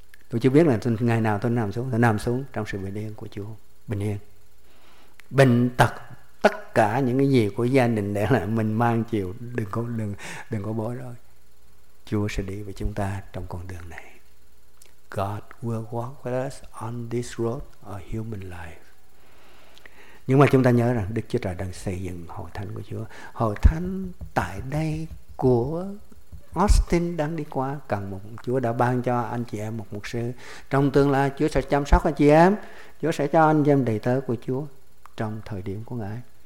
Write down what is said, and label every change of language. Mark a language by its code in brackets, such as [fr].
[vi] Tôi chưa biết là ngày nào tôi nằm xuống trong sự bình yên của Chúa. Bình yên, bệnh tật, tất cả những cái gì của gia đình để lại mình mang chịu, đừng có bỏ rồi. Chúa sẽ đi với chúng ta trong con đường này. [en] God will walk with us on this road of human life. [vi] Nhưng mà chúng ta nhớ rằng Đức Chúa Trời đang xây dựng hội thánh của Chúa. Hội thánh tại đây của Austin đang đi qua cần một, Chúa đã ban cho anh chị em một mục sư. Trong tương lai Chúa sẽ chăm sóc anh chị em, Chúa sẽ cho anh chị em đầy tớ của Chúa trong thời điểm của Ngài.